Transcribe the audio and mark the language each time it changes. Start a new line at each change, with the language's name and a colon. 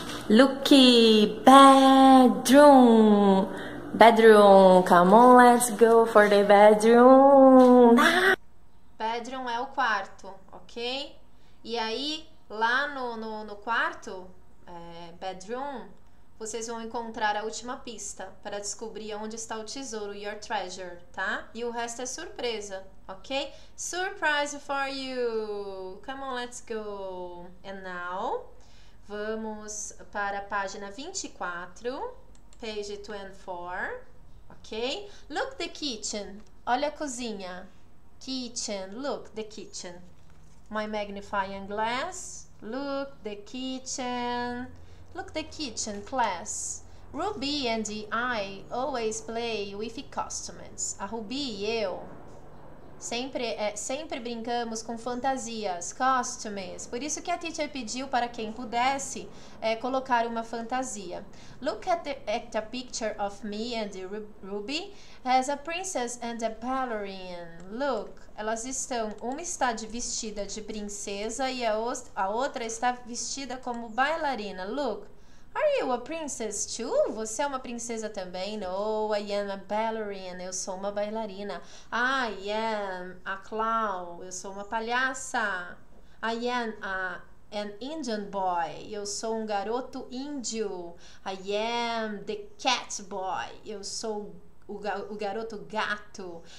English: Looky, bedroom, bedroom. Come on, let's go for the bedroom.
Portuguese: Bedroom é o quarto, ok? E aí, lá no quarto, bedroom, vocês vão encontrar a última pista para descobrir onde está o tesouro,
English: your treasure,
Portuguese: tá? E o resto é surpresa, ok?
English: Surprise for you! Come on, let's go! And now,
Portuguese: vamos para a página 24,
English: page 24, ok? Look the kitchen!
Portuguese: Olha a cozinha!
English: Kitchen, look the kitchen. My magnifying glass. Look the kitchen. Look the kitchen, class. Ruby and I always play with costumes.
Portuguese: A Ruby e eu sempre brincamos com fantasias, costumes. Por isso que a teacher pediu para quem pudesse colocar uma fantasia.
English: Look at the picture of me and Ruby as a princess and a ballerina. Look.
Portuguese: Elas estão, uma está de vestida de princesa e a outra está vestida como bailarina.
English: Look, are you a princess too?
Portuguese: Você é uma princesa também?
English: No, I am a ballerina.
Portuguese: Eu sou uma bailarina.
English: I am a clown.
Portuguese: Eu sou uma palhaça.
English: I am an Indian boy.
Portuguese: Eu sou um garoto índio.
English: I am the cat boy.
Portuguese: Eu sou o garoto gato.